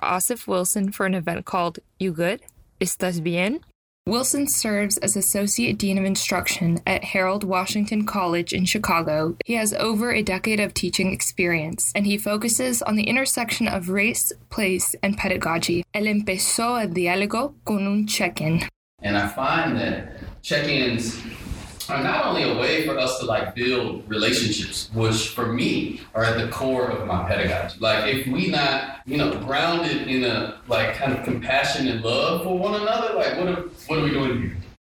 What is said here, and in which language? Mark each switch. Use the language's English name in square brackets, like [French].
[English] Asif Wilson for an event called You Good? [Spanish] ¿Estás bien? [English] Wilson serves as Associate Dean of Instruction at Harold Washington College in Chicago. He has over a decade of teaching experience, and he focuses on the intersection of race, place, and pedagogy. [Spanish] Él empezó el diálogo con un check-in. [English] And I find that check-ins are not only a way for us to like build relationships, which for me are at the core of my pedagogy. Like if we not, you know, grounded in a like kind of compassion and love for one another, like what are we doing here?